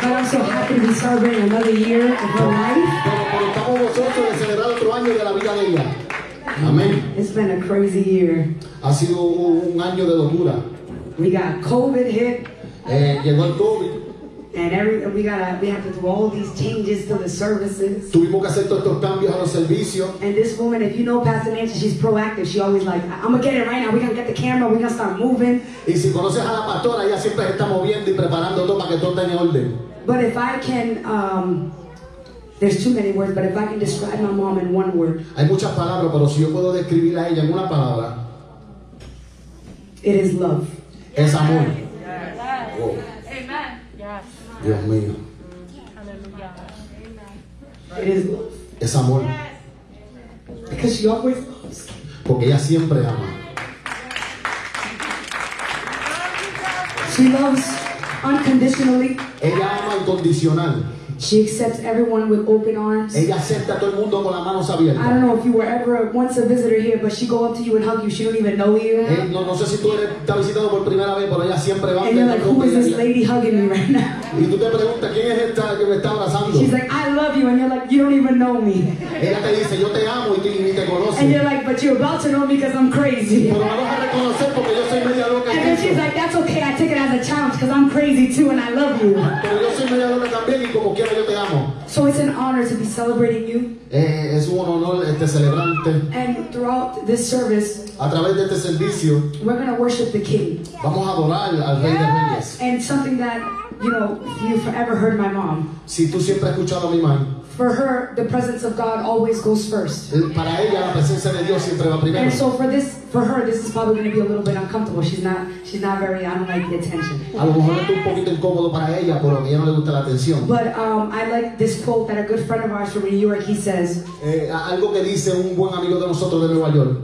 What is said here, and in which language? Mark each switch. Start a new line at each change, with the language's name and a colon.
English: But I'm so happy to be celebrating another year of her life. Amen. It's been a crazy year.
Spanish: Ha sido un año de locura.
English: We got COVID hit.
Spanish: Llegó el COVID.
English: And we have to do all these changes to the services.
Spanish: Tuvimos que hacer todos estos cambios a los servicios.
English: And this woman, if you know Pastor Nancy, she's proactive. She always like, I'm gonna get it right now. We gonna get the camera. We gonna start moving.
Spanish: Y si conoces a la pastora, ella siempre está moviendo y preparando todo para que todo tenga orden.
English: But if I can, there's too many words, but if I can describe my mom in one word.
Spanish: Hay muchas palabras, pero si yo puedo describir a ella en una palabra.
English: It is love.
Spanish: Es amor.
English: Yes. Wow. Amen. Yes.
Spanish: Dios mío.
English: It is love.
Spanish: Es amor.
English: Yes. Because she always loves.
Spanish: Porque ella siempre ama.
English: She loves unconditionally.
Spanish: Ella ama incondicional.
English: She accepts everyone with open arms.
Spanish: Ella acepta a todo el mundo con las manos abiertas.
English: I don't know if you were ever once a visitor here, but she go up to you and hug you. She don't even know you.
Spanish: No sé si tú estás visitando por primera vez, pero ella siempre va.
English: And you're like, who is this lady hugging me right now?
Spanish: Y tú te preguntas, ¿quién es esta que me está abrazando?
English: She's like, I love you, and you're like, you don't even know me.
Spanish: Ella te dice, yo te amo, y tú ni te conoces.
English: And you're like, but you're about to know me because I'm crazy.
Spanish: Pero me vas a reconocer porque yo soy media loca.
English: And then she's like, that's okay, I take it as a challenge because I'm crazy too and I love you.
Spanish: Pero yo soy media loca también y como quiera.
English: So it's an honor to be celebrating you.
Spanish: Es un honor este celebrante.
English: And throughout this service,
Spanish: a través de este servicio,
English: we're going to worship the King.
Spanish: Vamos a adorar al Rey de Reyes.
English: And something that, you know, you've forever heard my mom.
Spanish: Si tú siempre has escuchado a mi mamá.
English: For her, the presence of God always goes first.
Spanish: Para ella, la presencia de Dios siempre va primero.
English: And so for her, this is probably going to be a little bit uncomfortable. She's not very, I don't like the attention.
Spanish: A lo mejor es un poquito incómodo para ella, pero a ella no le gusta la atención.
English: But I like this quote that a good friend of ours from New York, he says,
Spanish: algo que dice un buen amigo de nosotros de Nueva York.